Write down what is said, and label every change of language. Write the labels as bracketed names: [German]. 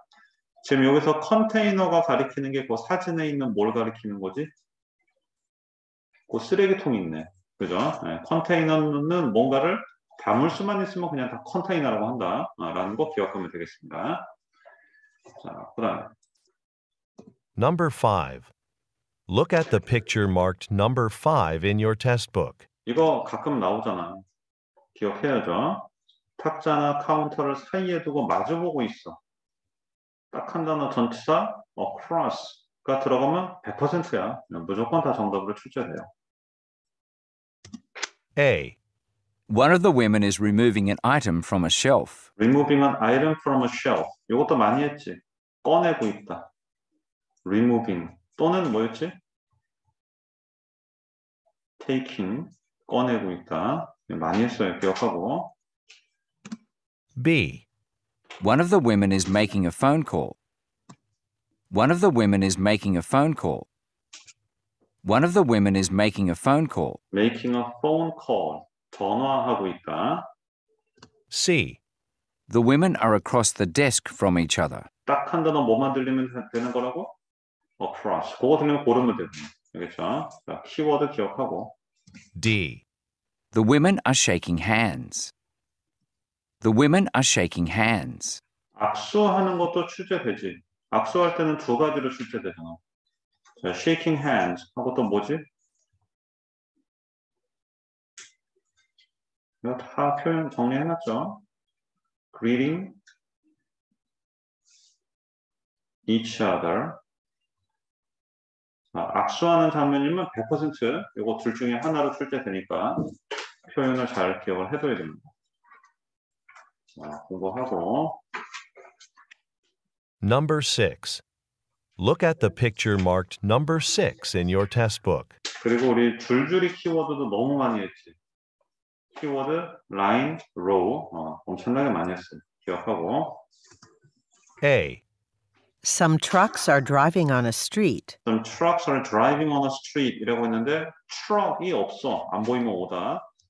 [Korean] 지금 여기서 컨테이너가 가리키는 게 그 사진에 있는 뭘 가리키는 거지? 그 쓰레기통 있네. 그죠? 네. 컨테이너는 뭔가를 담을 수만 있으면 그냥 다 컨테이너라고 한다라는 거 기억하면 되겠습니다. 자, 그다음에. [English] Number 5. Look at the picture marked number 5 in your test book. [Korean] 이거 가끔 나오잖아. 기억해야죠. 탁자나 카운터를 사이에 두고 마주보고 있어. 딱 한 단어 전치사 across가 들어가면 100%야. 무조건 다 정답으로 출제돼요. [English] A. One of the women is removing an item from a shelf. Removing an item from a shelf. [Korean] 이것도 많이 했지. 꺼내고 있다. [English] Removing [Korean] 또는 뭐였지? taking 꺼내고 있다. 많이 했어요. 기억하고. [English] B. One of the women is making a phone call. One of the women is making a phone call. One of the women is making a phone call. Making a phone call. [Korean] 전화하고 있다. [English] C. The women are across the desk from each other. [Korean] 딱 한 단어 뭐만 들리면 되는 거라고? [English] Across. [Korean] 그거 들리면 고르면 되죠. 알겠죠? 자, 키워드 기억하고. [English] D. The women are shaking hands. The women are shaking hands. [Korean] 악수하는 것도 출제되지. 악수할 때는 두 가지로 출제되잖아. 자, [English] shaking hands [Korean] 하고 또 뭐지? 이거 다 표현 정리해놨죠? [English] Greeting each other. [Korean] 자, 악수하는 장면이면 100% 이거 둘 중에 하나로 출제되니까 표현을 잘 기억을 해둬야 됩니다. 자, 공부하고. [English] Number 6. Look at the picture marked number 6 in your test book. [Korean] 그리고 우리 줄줄이 키워드도 너무 많이 했지. 키워드, line, row. 엄청나게 많이 했어요. 기억하고. [English] A. Some trucks are driving on a street. Some trucks are driving on a street. [Korean] 이라고 했는데, truck이 없어. 안 보이면 오다.